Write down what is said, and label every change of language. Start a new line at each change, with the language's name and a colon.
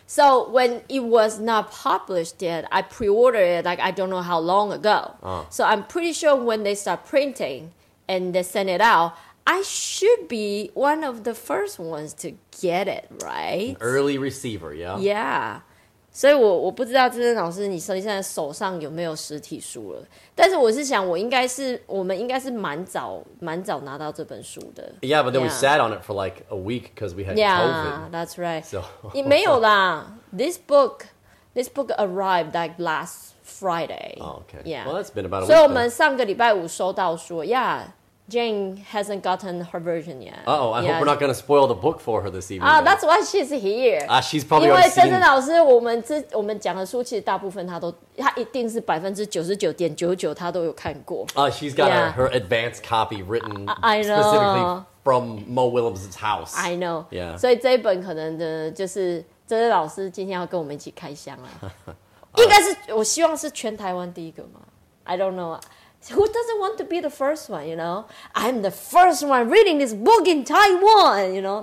English: So when it was not published yet, I pre-ordered it like I don't know how long ago. So I'm pretty sure when they start printing and they send it out,I should be one of the first ones to get it, right? An early receiver, yeah. Yeah.
Chinese: 所以我不知道真正老师你现在手上有没有实体书了。但是我是想我们应该是蛮早拿到这本书的。
English: Yeah, but then yeah. we sat on it for like a week because we had yeah, COVID. Yeah, that's right. So.
Chinese: 也没有啦。
English: This book arrived like last Friday. Oh, okay. Yeah. Well, that's been about a week.
Chinese: 所以我们上个礼拜五收到书
English: yeah. Jane hasn't gotten her version yet. Uh-oh, I hope we're not going to spoil the book for her this evening. That's why she's here. She's probably already seen...
Chinese: 因为真正老师我们讲的书其实大部分她一定是 99.99% 她都有看过。
English: She's got her advanced copy written specifically from Mo Willems' house. I know. Yeah.
Chinese: 所以这一本可能的就是真正老师今天要跟我们一起开箱了。应该是我希望是全台湾第一个嘛。
English: I don't know. Who doesn't want to be the first one, you know? I'm the first one reading this book in Taiwan, you know?